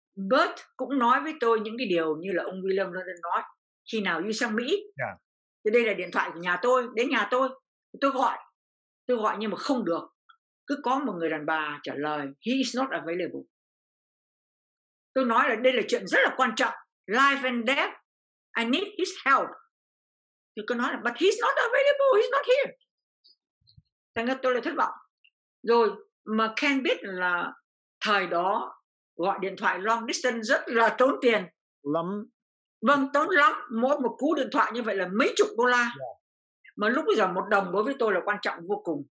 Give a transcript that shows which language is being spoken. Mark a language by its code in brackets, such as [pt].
[vi] Burt cũng nói với tôi những cái điều như là ông William London nói. Khi nào đi sang Mỹ. Thì đây là điện thoại của nhà tôi, đến nhà tôi. Tôi gọi nhưng mà không được. Cứ có một người đàn bà trả lời, [en] he is not available. [vi] Tôi nói là đây là chuyện rất là quan trọng. [en] Life and death, I need his help. [vi] Thì cứ nói là [en] but he's not available, he's not here. [vi] Thành ra tôi lại thất vọng. Rồi mà Ken biết là thời đó gọi điện thoại long distance rất là tốn tiền. Lắm. Vâng, tốn lắm. Mỗi một cú điện thoại như vậy là mấy chục đô la. Mà lúc bây giờ một đồng đối với tôi là quan trọng vô cùng.